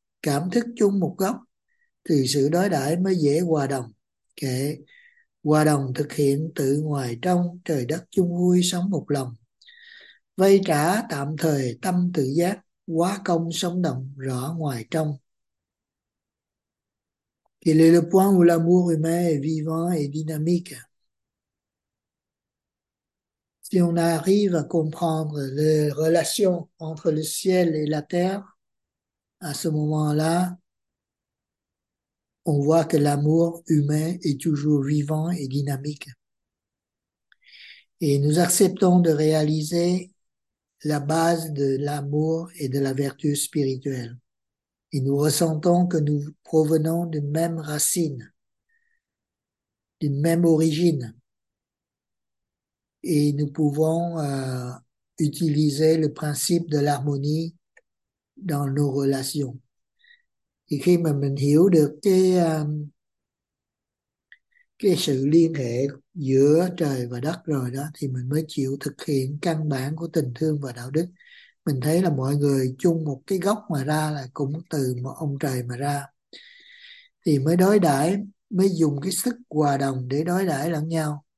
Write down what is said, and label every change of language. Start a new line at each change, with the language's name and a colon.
Vietnamese: Cảm thức chung một gốc, thì sự đối đãi mới dễ hòa đồng. Kệ, hòa đồng thực hiện tự ngoài trong, trời đất chung vui sống một lòng. Vay trả tạm thời tâm tự giác, hóa công sống động rõ ngoài trong.
French: Quel est le point où l'amour humain est vivant et dynamique? Si on arrive à comprendre les relations entre le ciel et la terre, à ce moment-là, on voit que l'amour humain est toujours vivant et dynamique. Et nous acceptons de réaliser la base de l'amour et de la vertu spirituelle. Et nous ressentons que nous provenons d'une même racine, d'une même origine. Et nous pouvons utiliser le principe de l'harmonie dans nos relations.
Vietnamese: Thì khi mà mình hiểu được cái sự liên hệ giữa trời và đất rồi đó, thì mình mới chịu thực hiện căn bản của tình thương và đạo đức. Mình thấy là mọi người chung một cái gốc mà ra, là cũng từ một ông trời mà ra, thì mới đối đãi, mới dùng cái sức hòa đồng để đối đãi lẫn nhau.